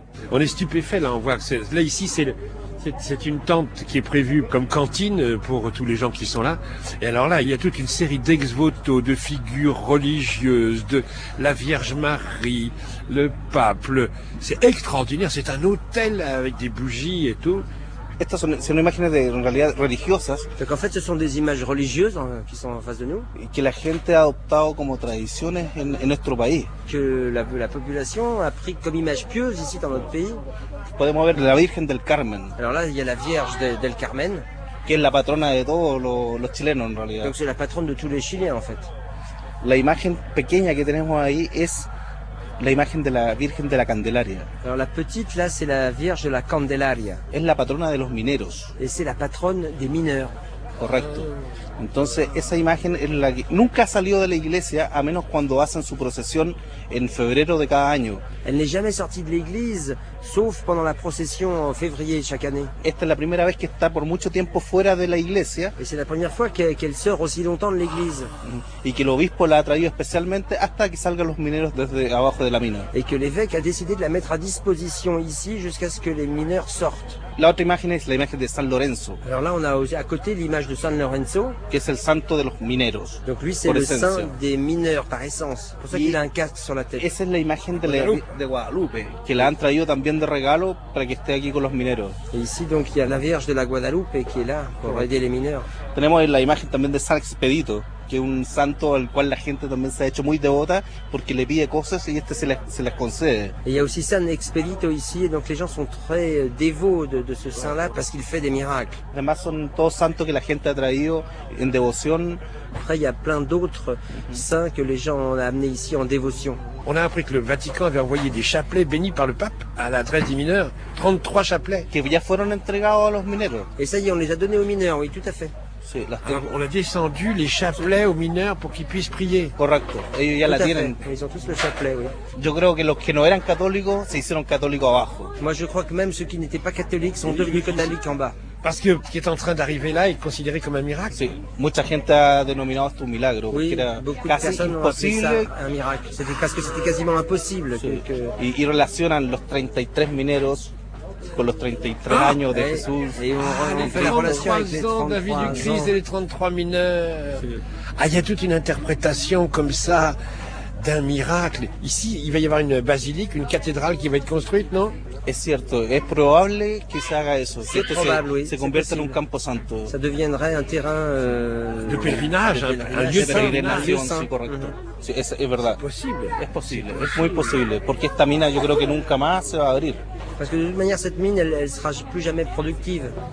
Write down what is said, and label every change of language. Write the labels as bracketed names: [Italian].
[French] On est stupéfait là, on voit que c'est une tente qui est prévue comme cantine pour tous les gens qui sont là. Et alors là, il y a toute une série d'ex-voto, de figures religieuses, de la Vierge Marie, le pape. C'est extraordinaire, c'est un hôtel avec des bougies et tout. [Spanish] Estas son imágenes de en realidad religiosas. [French] Donc en fait, ce sont des images religieuses qui sont en face de nous. [Spanish] Y que la gente ha adoptado como tradiciones en nuestro país. [French] Que la población a pris comme image pieuse ici dans notre pays. [Spanish] Podemos ver la Virgen del Carmen. [French] Alors là, il y a la Vierge del Carmen. [Spanish] Que es la patrona de todos los chilenos en realidad. [French] Donc c'est la patronne de tous les Chiliens en fait. [Spanish] La imagen pequeña que tenemos ahí es la imagen de la Virgen de la Candelaria. [French] Alors la petite là, c'est la Vierge de la Candelaria. [Spanish] Es la patrona de los mineros. [French] Et c'est la patronne des mineurs. [Spanish] Correcto. Entonces esa imagen es la que nunca ha salido de la iglesia a menos cuando hacen su procesión en febrero de cada año. [French] Elle n'est jamais sortie de l'église sauf pendant la procession en février chaque année. [Spanish] Esta es la primera vez que está por mucho tiempo fuera de la iglesia. [French] Et c'est la première fois qu'elle sort aussi longtemps de l'église. [Spanish] Y que el obispo la ha traído especialmente hasta que salgan los mineros desde abajo de la mina. [French] Et que l'évêque a décidé de la mettre à disposition ici jusqu'à ce que les mineurs sortent. [Spanish] La otra imagen es la imagen de San Lorenzo. [French] Alors là on a à côté l'image de San Lorenzo. [Spanish] Que es el santo de los mineros. [French] Donc lui c'est le saint des mineurs par essence. Pour ça qu'il a un casque sur la tête. [Spanish] Esa es la imagen de Guadalupe, que la han traído también de regalo para que esté aquí con los mineros. [French] Et ici donc il y a la Vierge de la Guadalupe qui est là pour aider les mineurs. [Spanish] Tenemos la imagen también de San Expedito, que es un santo al cual la gente también se ha hecho muy devota porque le pide cosas y este se las concede. [French] Et il y a aussi San Expedito ici et donc les gens sont très dévots de ce saint là parce qu'il fait des miracles. [Spanish] Además son todos santos que la gente ha traído en devoción. [French] Après, il y a plein d'autres saints que les gens ont amenés ici en dévotion. On a appris que le Vatican avait envoyé des chapelets bénis par le pape à l'adresse des mineurs. 33 chapelets. [Spanish] Que ya fueron entregados a los mineros. [French] Et ça y est, on les a donnés aux mineurs, oui, tout à fait. [Spanish] Sí, la... [French] Alors, on a descendu les chapelets aux mineurs pour qu'ils puissent prier. [Spanish] Correcto. Ellos ya la tienen. [French] Ils ont tous le chapelet, oui. [Spanish] Yo creo que los que no eran católicos se hicieron católicos abajo. [French] Moi, je crois que même ceux qui n'étaient pas catholiques sont devenus catholiques en bas. Parce que ce qui est en train d'arriver là est considéré comme un miracle. [Spanish] Sí. Mucha gente ha denominado esto un milagro. [French] Oui, beaucoup de personnes ont appelé ça un miracle. C'était parce que c'était quasiment impossible. [Spanish] Sí. Y relacionan los 33 mineros con los 33 años de Jesús. [French] Et on fait la relation avec les 33 ans. Et les 33 mineurs. [Spanish] Sí. [French] Ah, il y a toute une interprétation comme ça d'un miracle. Ici, il va y avoir une basilique, une cathédrale qui va être construite, non? [Spanish] Es cierto, es probable que se haga eso, que esto probable, se convierta en un campo santo. [French] Ça deviendrait un terrain de pèlerinage, un lieu de pèlerinage, [Spanish] sí, correcto. Sí, es verdad. Es posible, es muy posible, porque esta mina yo creo que nunca más se va a abrir. [French] Parce que de toute manière cette mine elle sera plus jamais productive.